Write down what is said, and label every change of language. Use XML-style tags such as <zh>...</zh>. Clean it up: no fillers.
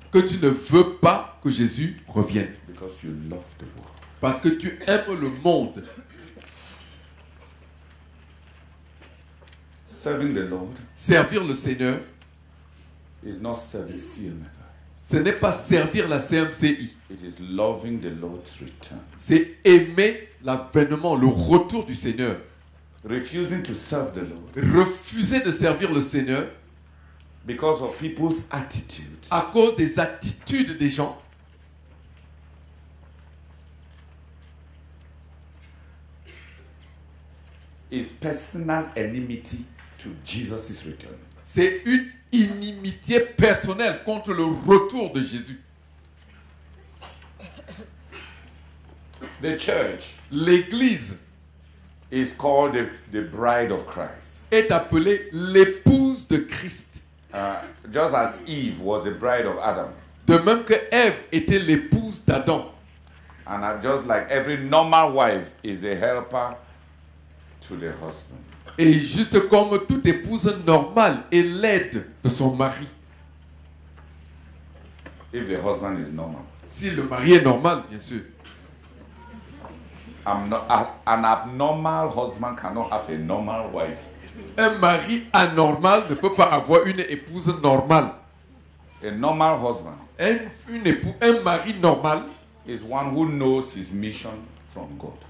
<fr>Que tu ne veux pas que Jésus revienne.</fr> <en>Because you love the world.</en> <fr>Parce que tu aimes le monde.</fr> <en>Serving the Lord,</en> <fr>servir le Seigneur,</fr> <en>is not serving CMFI.</en> <fr>Ce n'est pas servir la CMCI.</fr> <en>It is loving the Lord's return.</en> <fr>C'est aimer l'avènement, le retour du Seigneur.</fr> <en>Refusing to serve the Lord.</en> <fr>Refuser de servir le Seigneur.</fr> <en>Because of people's attitude.</en> <fr>À cause des attitudes des gens.</fr> <en>is personal enmity to Jesus' return.</en> <fr>C'est une inimitié personnelle contre le retour de Jésus.</fr> <en>The church,</en> <fr>l'église,</fr> <en>is called the bride of Christ.</en> <fr>Est appelée l'épouse de Christ.</fr> <en>Just as Eve was the bride of Adam.</en> <fr>De même que Ève était l'épouse d'Adam.</fr> <en>And just like every normal wife is a helper to the husband.</en> <fr>Et juste comme toute épouse normale est l'aide de son mari.</fr> <en>If the husband is normal.</en> <fr>Si le mari est normal, bien sûr.</fr> <en>An abnormal husband cannot have a normal wife.</en> <fr>Un mari anormal ne peut pas avoir une épouse normale.</fr> <en>A normal husband.</en> <fr>Un mari normal</fr> <en>is one who knows his mission from God.</en>